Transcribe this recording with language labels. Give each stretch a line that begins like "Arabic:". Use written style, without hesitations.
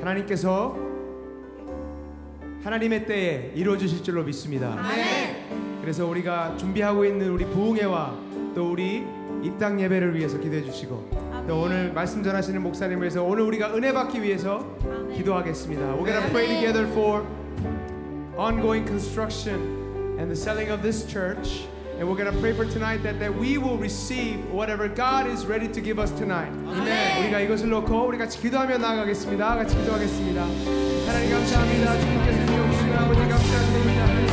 Korean: 하나님께서 하나님의 때에 이루어 주실 줄로 믿습니다. 아멘. 그래서 우리가 준비하고 있는 우리 부흥회와 또 우리 입당 예배를 위해서 기도해 주시고 또 오늘 말씀 전하시는 목사님을 위해서 오늘 우리가 은혜 받기 위해서 아멘. 기도하겠습니다.
English: We're gonna pray together for ongoing construction and the selling of this church. And we're gonna pray for tonight that we will receive whatever God is ready to give us tonight. Amen.
Korean: 우리가 이것을 놓고 우리 같이 기도하며 나아가겠습니다. 같이 기도하겠습니다. 하나님 감사합니다. 주님께서 용서하시는 아버지 감사합니다.